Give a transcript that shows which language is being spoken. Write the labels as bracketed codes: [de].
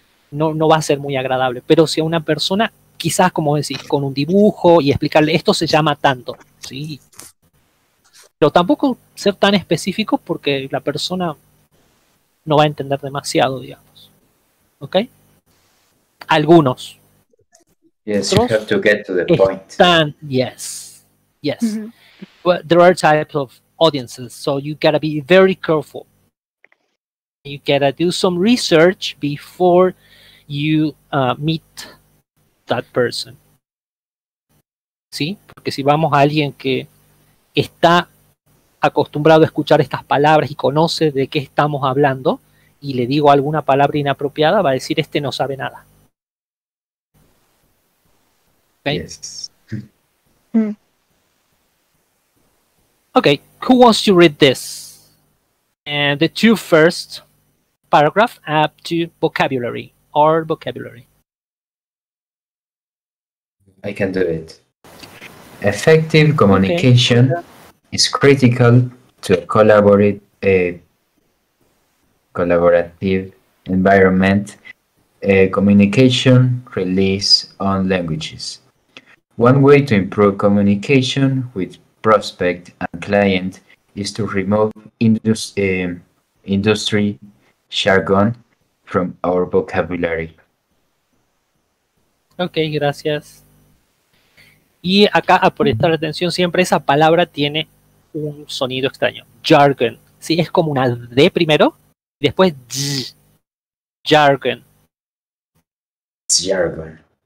[es] No va a ser muy agradable. Pero si a una persona, quizás, como decís, con un dibujo y explicarle, esto se llama tanto, ¿sí? Pero tampoco ser tan específico porque la persona no va a entender demasiado, digamos. ¿Ok? Algunos. [en] Yes, you have to get to the point. Están, yes, yes. Mm-hmm. But there are types of audiences, so you gotta be very careful. You gotta do some research before you meet that person. [es] ¿Sí? Porque si vamos a alguien que está acostumbrado a escuchar estas palabras y conoce de qué estamos hablando, y le digo alguna palabra inapropiada, va a decir, este no sabe nada. [en] ¿Okay? Yes. Mm. Okay, who wants to read this? The two first paragraph up to vocabulary, or vocabulary. I can do it. Effective communication is critical to a collaborative environment. Communication relies on languages. One way to improve communication with prospect and client is to remove industry jargon from our vocabulary. [es] Ok, gracias. Y acá, a prestar atención, siempre esa palabra tiene un sonido extraño. Jargon. Sí, es como una D primero, y después Z. [en] Jargon. Jargon.